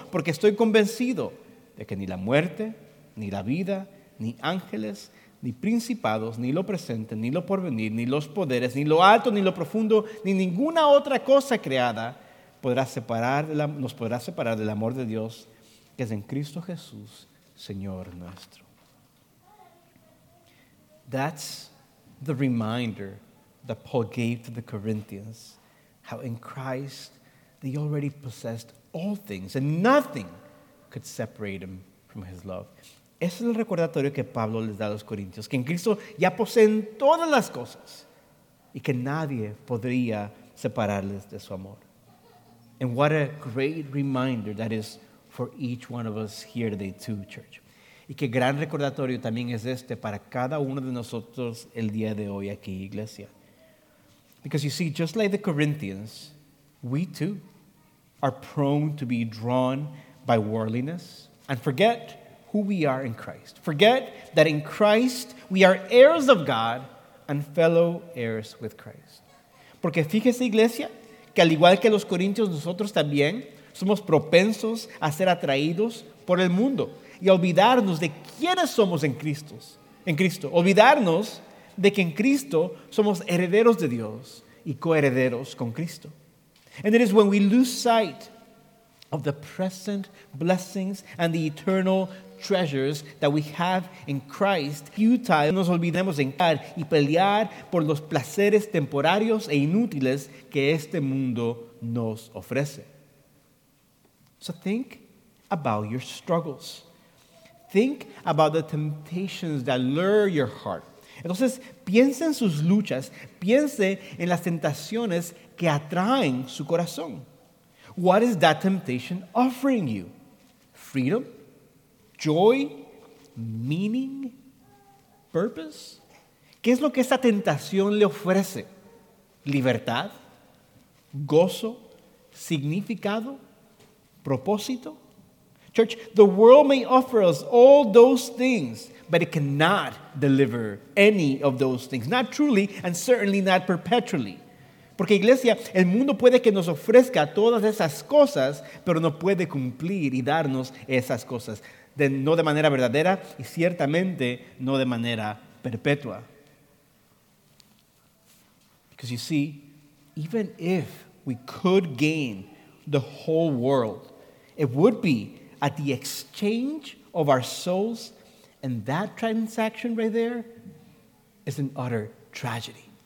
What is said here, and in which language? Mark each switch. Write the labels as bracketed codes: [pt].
[es] Porque estoy convencido de que ni la muerte, ni la vida, ni ángeles, ni principados, ni lo presente, ni lo porvenir, ni los poderes, ni lo alto, ni lo profundo, ni ninguna otra cosa creada nos podrá separar del amor de Dios que es en Cristo Jesús, Señor nuestro. [en] That's the reminder that Paul gave to the Corinthians, how in Christ they already possessed all things and nothing could separate them from his love. [es] Ese es el recordatorio que Pablo les da a los corintios, que en Cristo ya poseen todas las cosas y que nadie podría separarles de su amor. [en] And what a great reminder that is for each one of us here today too, church. [es] Y qué gran recordatorio también es este para cada uno de nosotros el día de hoy aquí, iglesia. [en] Because you see, just like the Corinthians, we too are prone to be drawn by worldliness and forget who we are in Christ. Forget that in Christ we are heirs of God and fellow heirs with Christ. [es] Porque fíjese, iglesia, que al igual que los corintios, nosotros también somos propensos a ser atraídos por el mundo y a olvidarnos de quiénes somos en Cristo. Olvidarnos de que en Cristo somos herederos de Dios y coherederos con Cristo. [en] And it is when we lose sight of the present blessings and the eternal treasures that we have in Christ, [es] futile, nos olvidemos de encar y pelear por los placeres temporarios e inútiles que este mundo nos ofrece. [en] So think about your struggles. Think about the temptations that lure your heart. [es] Entonces, piense en sus luchas. Piense en las tentaciones que atraen su corazón. [en] What is that temptation offering you? Freedom? Joy, meaning, purpose. [es] ¿Qué es lo que esta tentación le ofrece? ¿Libertad? ¿Gozo? ¿Significado? ¿Propósito? [en] Church, the world may offer us all those things, but it cannot deliver any of those things. Not truly, and certainly not perpetually. [es] Porque, iglesia, el mundo puede que nos ofrezca todas esas cosas, pero no puede cumplir y darnos esas cosas. No de manera verdadera y ciertamente no de manera perpetua. [en] Because you see, even if we could gain the whole world, it would be at the exchange of our souls, and that transaction right there is an utter tragedy.